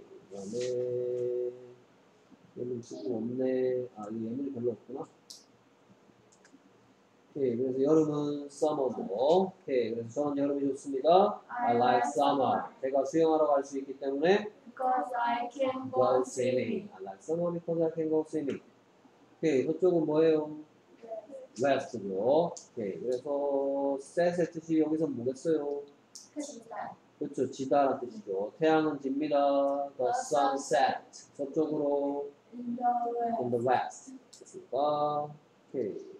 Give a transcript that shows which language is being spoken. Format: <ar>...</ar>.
<ko>그다음에 예문 조금 없네. 아, 이 예문이 별로 없구나. 오케이, 그래서 여름은 summer죠. 오케이, 그래서 저는 여름이 좋습니다.</ko> <en>I like summer.</en> <ko>제가 수영하러 갈 수 있기 때문에</ko> <en>because I can go swimming. I like summer because I can go swimming.</en> <ko>오케이, 저쪽은 뭐예요? west죠. 오케이, 그래서 set의 뜻이 여기서 뭐겠어요? 그렇죠, 지다라는 뜻이죠. 태양은 집니다.</ko> <en>The sun set.</en> <ko>저쪽으로</ko> <en>in the west.</en> <ko>그렇습니까? 오케이.</ko>